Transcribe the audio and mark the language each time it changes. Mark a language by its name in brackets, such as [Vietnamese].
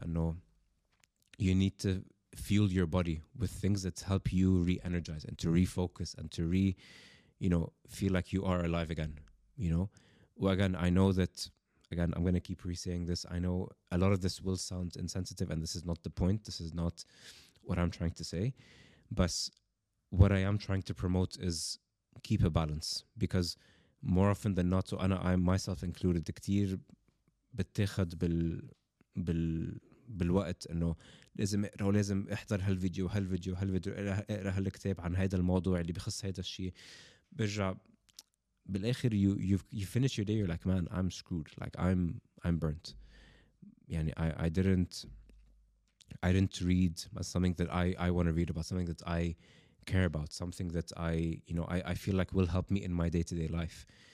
[English] That know you need to fuel your body with things that help you re-energize and to refocus and to re, you know, feel like you are alive again, you know. Well, again, I know that. Again, I'm going to keep re-saying this. I know a lot of this will sound insensitive, and this is not the point. This is not what I'm trying to say. But what I am trying to promote is keep a balance. Because more often than not, so Anna, I myself included, [Arabic] كتير بتاخد بالوقت إنه لازم اقرأ ولازم احضر هالفيديو وهالفيديو وهالفيديو اقرأ هالكتاب عن هيدا الموضوع اللي بخص هيدا الشيء برجع. بالآخر [English] you finish your day, you're like, man, I'm screwed, like I'm burnt. [Arabic] يعني [English] I didn't read something that I want to read about, something that I care about, something that I, you know, I feel like will help me in my day-to-day life.